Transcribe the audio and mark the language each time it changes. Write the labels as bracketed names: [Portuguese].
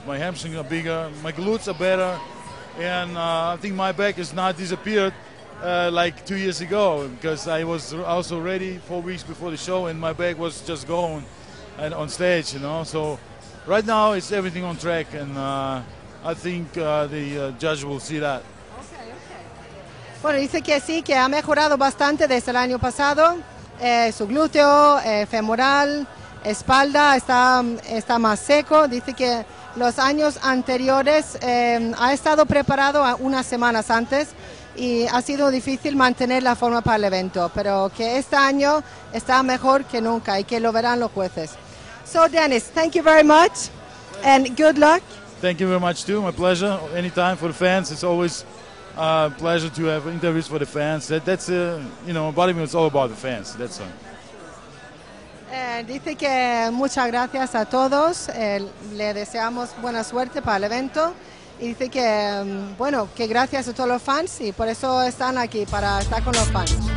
[English] My hamstrings are bigger, my glutes are better, and I think my back has not disappeared like 2 years ago because I was also ready 4 weeks before the show and my back was just gone and on stage, So right now it's everything on track, and I think the judge will see that. Okay, okay. [Spanish] Bueno, dice que sí, que ha mejorado bastante desde el año pasado, su glúteo, femoral. Espalda está más seco. Dice que los años anteriores ha estado preparado unas semanas antes y ha sido difícil mantener la forma para el evento, pero que este año está mejor que nunca y que lo verán los jueces. [English] So Dennis, thank you very much and good luck. Thank you very much too. My pleasure. Anytime for the fans, it's always a pleasure to have interviews for the fans. That's bodybuilding is all about the fans. That's all. [Spanish] Dice que muchas gracias a todos, le deseamos buena suerte para el evento y dice que, que gracias a todos los fans y por eso están aquí, para estar con los fans.